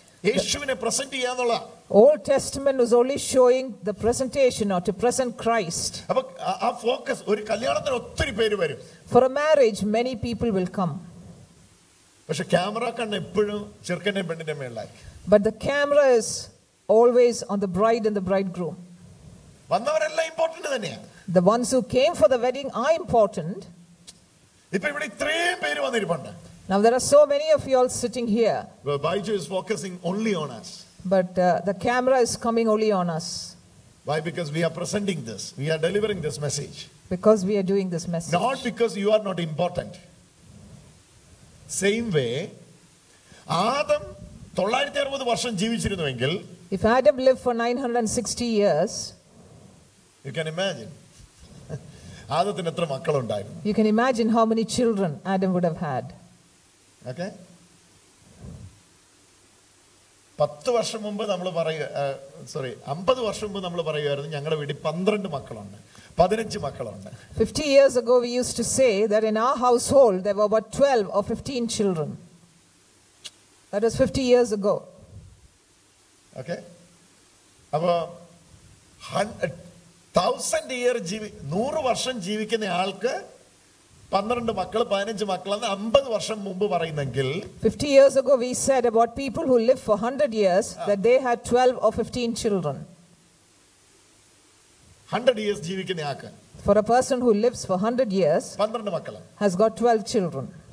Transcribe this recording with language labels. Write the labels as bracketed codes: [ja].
[ml] യേശുവിനെ പ്രസന്റ് ചെയ്യാനുള്ള. [en] Old Testament was only showing the presentation or to present Christ. [ml] അപ്പോൾ ആ ഫോക്കസ്, ഒരു കല്യാണത്തിന് ഒത്തിരി പേര് വരും. [en] For a marriage, many people will come. [ml] പക്ഷേ ക്യാമറ കണ്ണ് എപ്പോഴും ചെറുക്കനെയും പെണ്ണിന്റെ മേളിലായി. [en] But the camera is always on the bride and the bridegroom. [ml] വന്നവരെല്ലാം important തന്നെയാണ്. [en] The ones who came for the wedding are important. [ml] ഇപ്പോൾ ഇവിടെ ഇത്രയും പേര് വന്നിരിപ്പുണ്ട്. [en] Now there are so many of you all sitting here. Well, Baiju is focusing only on us. But the camera is coming only on us. Why? Because we are presenting this. We are delivering this message. Because we are doing this message. Not because you are not important. Same way, Adam [ml] 960 varsham jeevichirunnuvengil. [en] If Adam lived for 960 years, you can imagine. [ml] Adathin etra makkal undayirunnu. [en] You can imagine how many children Adam would have had. Okay? [ml] 10 വർഷം മുമ്പ് നമ്മൾ പറയുക, sorry 50 വർഷം മുമ്പ് നമ്മൾ പറയുമായിരുന്നു, ഞങ്ങളുടെ വീട്ടിൽ 12 മക്കളുണ്ട്, 15 മക്കളുണ്ട്. [en] 50 years ago we used to say that in our household there were about 12 or 15 children. That was 50 years ago. Okay? [ml] അപ്പോൾ 1000 year ജീവി 100 വർഷം ജീവിക്കുന്ന ആൾക്ക് 12 മക്കൾ 15 മക്കൾ എന്ന് 50 വർഷം മുമ്പ് പറയുന്നെങ്കിൽ, [en] 50 years ago we said about people who live for 100 years that they had 12 or 15 children. [ml] 100 years ജീവിക്കുന്ന ആൾക്ക്, [en] For a person who lives for 100 years has got 12 children.